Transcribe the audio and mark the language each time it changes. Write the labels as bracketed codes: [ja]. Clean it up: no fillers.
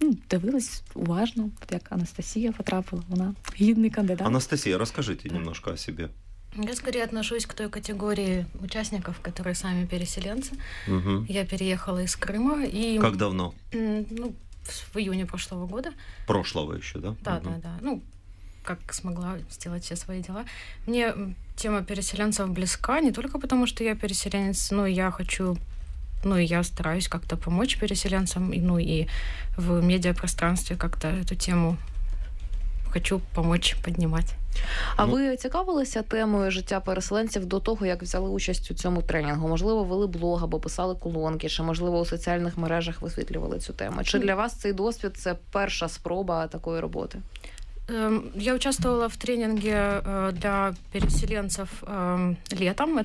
[uk] Дивились уважно, як Анастасія потрапила, вона гідний кандидат. Анастасія, розкажіть немножко о собі. [ru] Я скорее отношусь к той категории участников, которые сами переселенцы. Я переехала из Крыма. И... Как давно? В июне прошлого года. Прошлого еще, да? Да, да, да. Как смогла сделать все свои дела. Мне тема переселенцев близка не только потому, что я переселенец, но я хочу, я стараюсь как-то помочь переселенцам, и в медиапространстве как-то эту тему хочу помочь поднимать. [uk] А ви цікавилися темою життя переселенців до того, як взяли участь у цьому тренінгу? Можливо, вели блог або писали колонки, чи, можливо, у соціальних мережах висвітлювали цю тему? Чи для вас цей досвід – це перша спроба такої роботи? Я участвовала в тренінгу для переселенців літом.